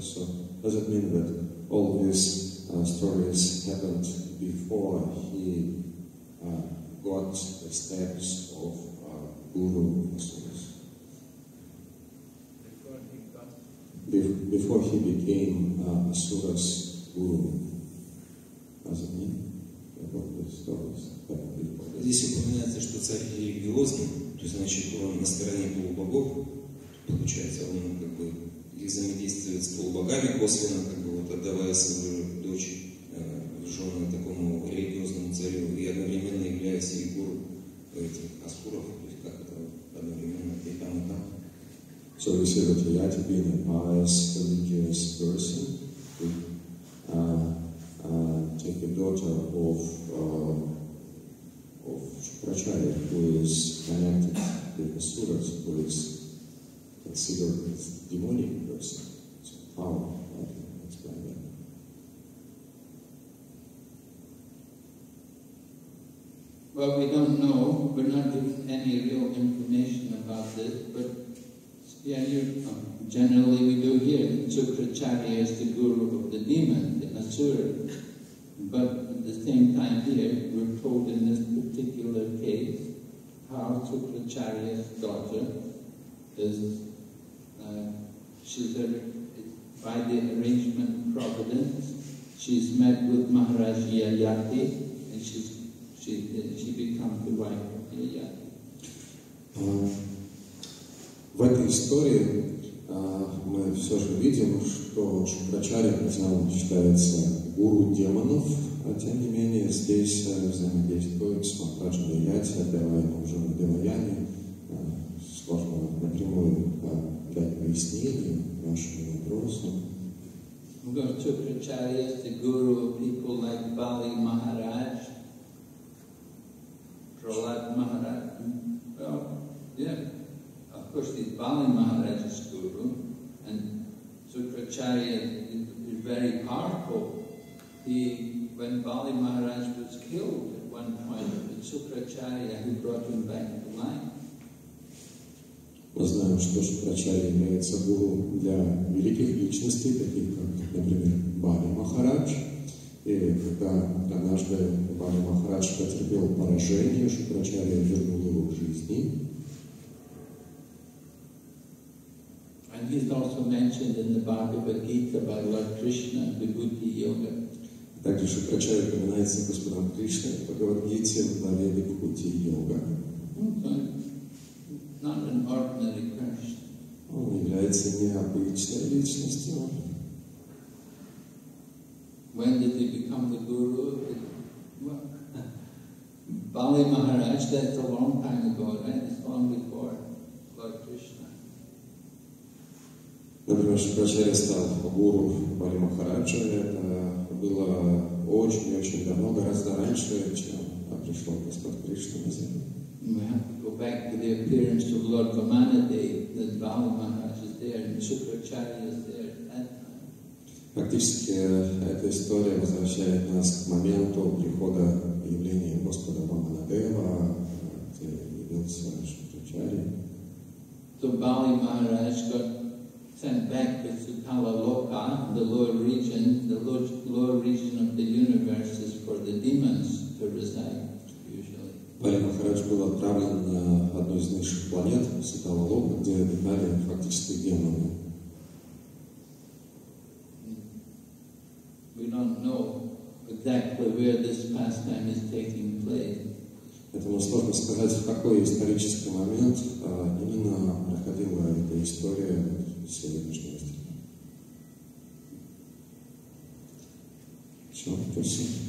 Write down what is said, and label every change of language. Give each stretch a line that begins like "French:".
English: So does it mean that all these stories happened before he got the steps of guru Asuras? Before he became Asura's guru, as it means, what the stories happened before.
Russian: Здесь упоминается, что царь религиозный, то есть, значит, он на стороне полубогов, получается, он как бы взаимодействует с полубогами косвенно, как бы вот отдавая свою дочь в жены такому религиозному царю и одновременно является и гуру этих Асуров, то есть как это одновременно и там, и там.
English: So we say that Yati, being a pious, religious person, could take a daughter of Prachari, who is connected with the Asuras, who is considered a demonic person. So how I can explain that? Well, Yati we don't know. We're not giving any real information about this, but yeah, generally we do hear that Shukracharya is the guru of the demon, the Asura. But at the same time here, we're told in this particular case how Sukracharya's daughter is, she's by the arrangement of Providence, she's met with Maharaj Yayati, and she becomes the wife of Yayati.
Russian: В этой истории мы все же видим, что Шукрачарья, хотя он считается гуру демонов, а тем не менее здесь взаимодействует с Махараджа Яяти, опираясь уже на Деваяне, сложно напрямую дать пояснение нашему вопросу.
English: Шукрачарья is the guru of people like Bali Maharaj, Prahlad Maharaj. Yeah, of course the Bali Maharaj is guru, and Sukracharya is very powerful. He, when Bali Maharaj was killed at one point, it's Sukracharya who brought him back to life.
Russian: Мы знаем, что Шукрачарья является гуру для великих личностей, таких как, например, Бали Махарадж. И когда однажды Бали Махарадж потерпел поражение, Шукрачарья вернул его к жизни.
English: And he's also mentioned in the Bhagavad Gita by Lord Krishna, the Bhakti Yoga.
Russian: Также Шукрачарья упоминается Господом Кришной в Бхагавад Гите на Веде Бхакти Йога.
English: Not an ordinary person.
Russian: Он является необычной личностью.
English: When did he become the guru? Bali Maharaj, that's a long time ago, right? It's long before Lord Krishna.
Russian: Например, Шукрачарья стал гуру Бали Махараджа, это было очень-очень давно, гораздо раньше, чем пришел Господь Кришна на землю.
English: We have to go back to the appearance of Lord Vamanadeva, that Бали Махарадж is there and Шукрачарья is there at that.
Russian: Фактически, эта история возвращает нас к моменту прихода явления Господа Вамана-дева, где явился Шукрачарья.
English: So Бали Махарадж got sent back to Sutala Loka, the lower region of the universe is for the demons to reside, usually.
Russian: Бали Махарадж был отправлен на одну из низших планет, Сутала Лока, где обитали фактически демоны.
English: We don't know exactly where this pastime is taking place.
Russian: Поэтому сложно сказать, в какой исторический момент именно проходила эта история. Все, спасибо.